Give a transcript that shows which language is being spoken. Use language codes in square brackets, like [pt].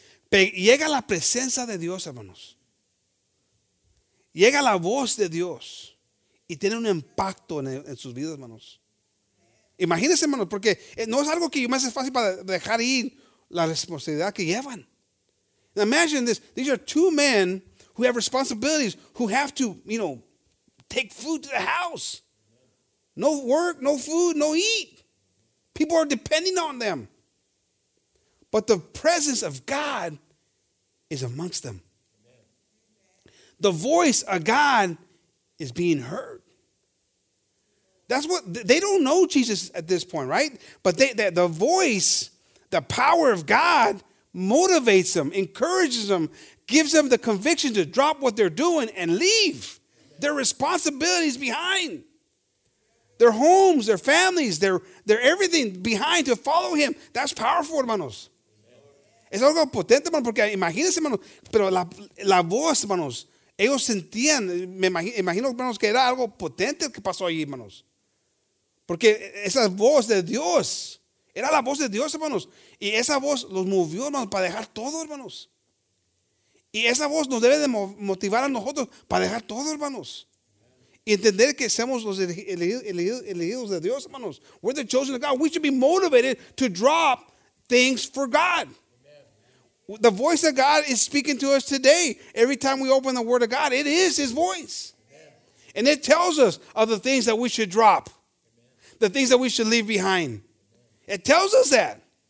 [es] Llega la presencia de Dios, hermanos. Llega la voz de Dios y tiene un impacto en sus vidas, hermanos. Imagínense, hermanos, porque no es algo que me hace fácil para dejar ir la responsabilidad que llevan. [en] Imagine this. These are two men who have responsibilities, who have to, you know, take food to the house. No work, no food, no eat. People are depending on them. But the presence of God is amongst them. The voice of God is being heard. That's what they don't know Jesus at this point, right? But the voice, the power of God motivates them, encourages them, gives them the conviction to drop what they're doing and leave their responsibilities behind. Their homes, their families, their everything behind to follow him. That's powerful, hermanos. [es] Es algo potente, hermanos, porque imagínense, hermanos, pero la voz, hermanos, ellos sentían, me imagino, hermanos, que era algo potente que pasó allí, hermanos. Porque esa voz de Dios, era la voz de Dios, hermanos. Y esa voz los movió, hermanos, para dejar todo, hermanos. Y esa voz nos debe de motivar a nosotros para dejar todo, hermanos. Y entender que somos los elegidos de Dios, hermanos. [en] We're the chosen of God. We should be motivated to drop things for God. Amen. The voice of God is speaking to us today. Every time we open the Word of God, it is His voice. Amen. And it tells us of the things that we should drop. Amen. The things that we should leave behind. Amen. It tells us that.